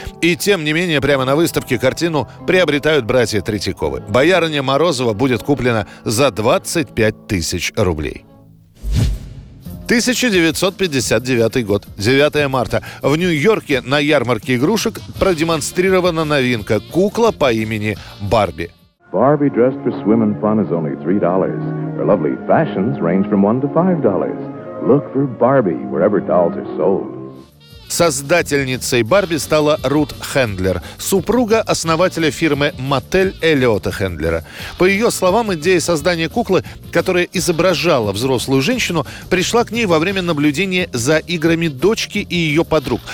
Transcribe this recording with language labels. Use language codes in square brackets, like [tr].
[ru] И тем не менее, прямо на выставке картину приобретают братья Третьяковы. «Боярыня Морозова» будет куплена за 25 тысяч рублей. 1959 год, 9 марта. В Нью-Йорке на ярмарке игрушек продемонстрирована новинка – кукла по имени Барби. [en] Barbie dressed for swim and fun is only $3. Her lovely fashions range from $1 to $5. Look for Barbie wherever dolls are sold. [ru] Создательницей Барби стала Рут Хендлер, супруга основателя фирмы «Маттель» Эллиота Хендлера. По ее словам, идея создания куклы, которая изображала взрослую женщину, пришла к ней во время наблюдения за играми дочки и ее подруг.